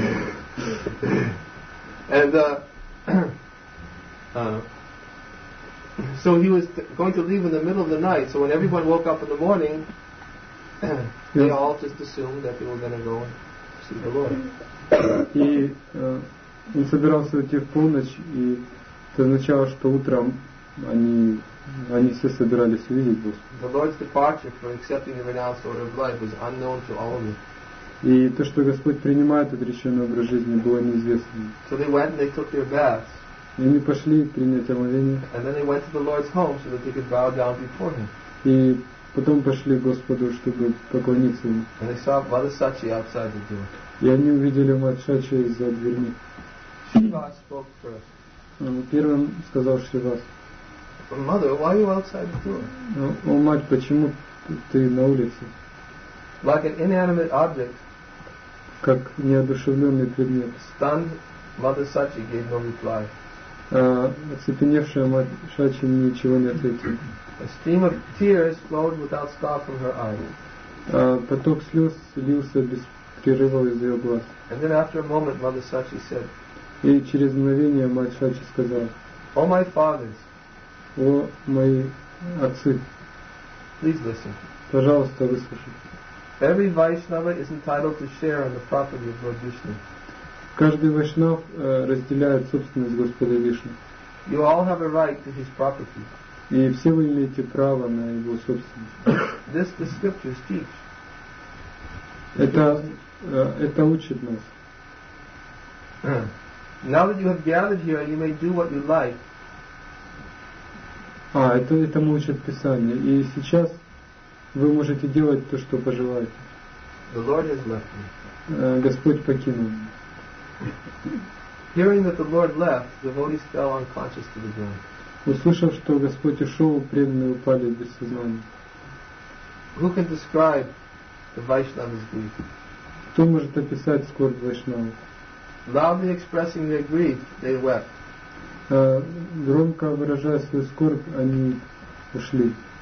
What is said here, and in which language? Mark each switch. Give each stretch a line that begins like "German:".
English: And so he was going to leave in the middle of the night. So when everyone woke up in the morning, they all just assumed that they were going to go and see the Lord.
Russian: И он собирался уйти в полночь, и это означало, что утром они все собирались увидеть Господа.
English: The Lord's departure for accepting the renounced order of life was unknown to all of them.
Russian: И то, что Господь принимает отреченный образ жизни, было неизвестно.
English: So they went and they took their baths.
Russian: И они пошли принять омовение.
English: And then they went to the Lord's home so that they could bow down before him.
Russian: И потом пошли к Господу, чтобы поклониться ему.
English: And they saw Mother Sati outside the door.
Russian: И они увидели мать Сати из-за двери.
English: Shiva spoke first.
Russian: Первым сказал Шивас.
English: Mother, why are you outside the door?
Russian: О, мать, почему ты на улице?
English: Like an inanimate object,
Russian: как неодушевленный предмет.
English: Stunned, Mother Sati gave no reply.
Russian: Оцепеневшая мать Сати ничего не ответила.
English: A stream of tears flowed without stop from her eyes.
Russian: Поток слез лился без прерыва из ее глаз.
English: And then after a moment, Mother Sati said.
Russian: И через мгновение мать Сати сказала.
English: Oh my fathers.
Russian: О мои отцы.
English: Please listen.
Russian: Пожалуйста, выслушайте.
English: Every Vaishnava is entitled to share in the property of Lord Vishnu.
Russian: Каждый вайшнав разделяет собственность Господа Вишну.
English: You all have a right to his property.
Russian: И все вы имеете право на его собственность.
English: This the scriptures teach.
Russian: Это учит нас.
English: Now that you have gathered here, you may do what you like.
Russian: А, это мы учат Писание. И сейчас вы можете делать то, что пожелаете.
English: The Lord has left me.
Russian: Господь покинул меня.
English: Hearing that the Lord left, devotees fell unconscious to the ground.
Russian: Услышав, что Господь ушел, преданные упали без сознания.
English: Who can describe the Vaishnava's grief?
Russian: Кто может описать скорбь Вайшнавы?
English: Loudly expressing their grief, they wept.
Russian: Громко выражая свою скорбь, они ушли.